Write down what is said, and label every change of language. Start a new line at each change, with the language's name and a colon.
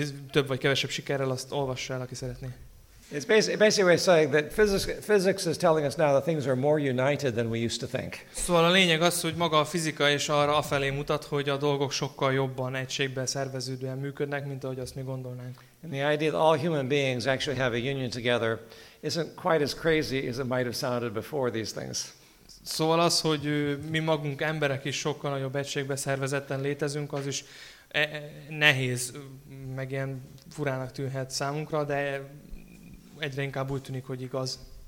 Hungarian: Több vagy kevesebb sikerrel azt olvassa el, aki szeretné.
English: It's basically what it's saying that physics is telling us now that things are more united than we used to think.
Hungarian: Szóval a lényeg az, hogy maga a fizika is arra afelé mutat, hogy a dolgok sokkal jobban egységben szerveződően működnek, mint ahogy azt mi gondolnánk.
English: And the idea that all human beings actually have a union together isn't quite as crazy as it might have sounded before these things.
Hungarian: Szóval az, hogy mi magunk emberek is sokkal nagyobb egységben szervezetten létezünk, az is nehéz, meg ilyen furának tűnhet számunkra, de egyre inkább úgy tűnik, hogy igaz.